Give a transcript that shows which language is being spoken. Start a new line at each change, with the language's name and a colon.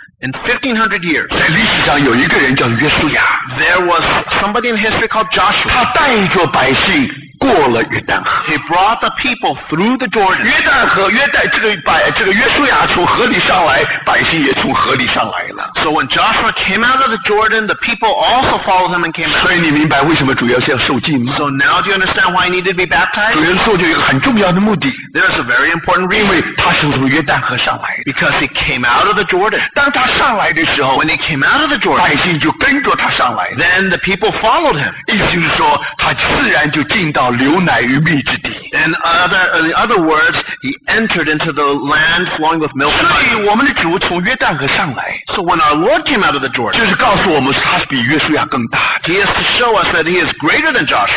English: In 1500 years,
Chinese: 在历史上, 有一个人叫约书亚,
English: there was somebody in history called Joshua.
Chinese: 他带着百姓,
English: He brought the people through the Jordan.
Chinese: 约旦河约旦这个把这个约书亚从河里上来，百姓也从河里上来了。
English: So when Joshua came out of the Jordan, the people also followed him and came out.
Chinese: 所以你明白为什么主要是要受浸吗？
English: So now do you understand why he needed to be baptized?
Chinese: 主人受浸有一个很重要的目的。
English: There is a very important reason.
Chinese: 因为他是从约旦河上来的。
English: Because he came out of the Jordan.
Chinese: 当他上来的时候，
English: when he came out of the Jordan,
Chinese: 百姓就跟着他上来了。
English: Then the people followed him.
Chinese: 意思是说，他自然就进到。
English: In other words, he entered into the land flowing with milk and honey.
Chinese: 所以我们的主从约旦河上来,
English: so when our Lord came out of the Jordan,
Chinese: 就是告诉我们他是比约书亚更大,
English: he is to show us that he is greater than Joshua.